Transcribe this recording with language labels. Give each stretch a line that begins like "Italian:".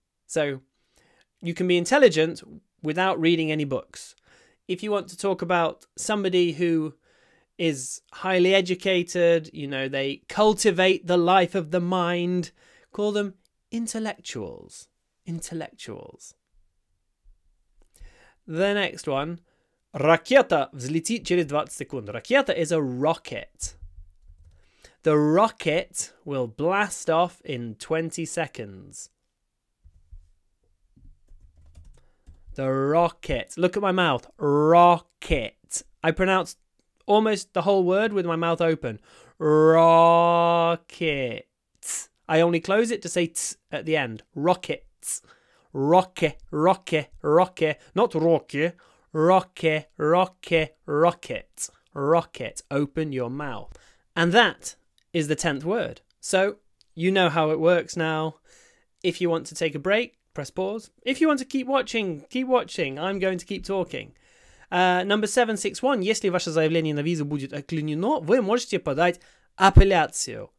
English: So you can be intelligent without reading any books. If you want to talk about somebody who is highly educated, you know, they cultivate the life of the mind, call them intellectuals. Intellectuals. The next one.
Russian: Ракета взлетит через 20 секунд.
English: Ракета is a rocket. The rocket will blast off in 20 seconds. The rocket. Look at my mouth. Rocket. I pronounce almost the whole word with my mouth open. Rocket. I only close it to say t at the end. Rocket. Rocket. Rocket. Rocket. Not rocket. Rocket. Rocket. Rocket. Rocket. Open your mouth. And that is the 10th word. So you know how it works now. If you want to take a break, press pause. If you want to keep watching, keep watching. I'm going to keep talking. Number 761.
Russian: Если ваше заявление на визу будет отклонено, вы можете подать апелляцию.